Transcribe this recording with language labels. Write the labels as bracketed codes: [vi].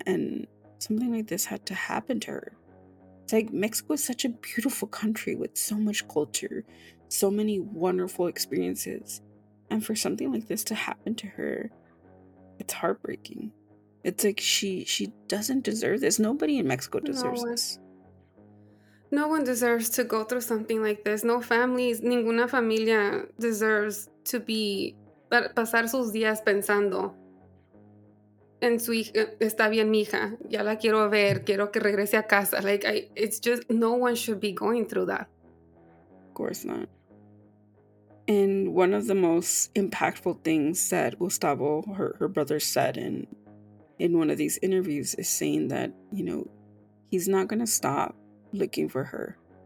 [en] And something like this had to happen to her. It's like Mexico is such a beautiful country with so much culture, so many wonderful experiences. And for something like this to happen to her, it's heartbreaking. It's like she doesn't deserve this. Nobody in Mexico deserves this. No one deserves to go through something like this. No families, [es] ninguna familia [en] deserves to be [es] pasar sus días pensando en su hija. Está bien, mija. Ya la quiero ver. Quiero que regrese a casa. [en] Like, it's just, no one should be going through that. Of course not. And one of the most impactful things that Gustavo, her brother, said in one of these interviews is saying that, you know, he's not going to stop looking for her.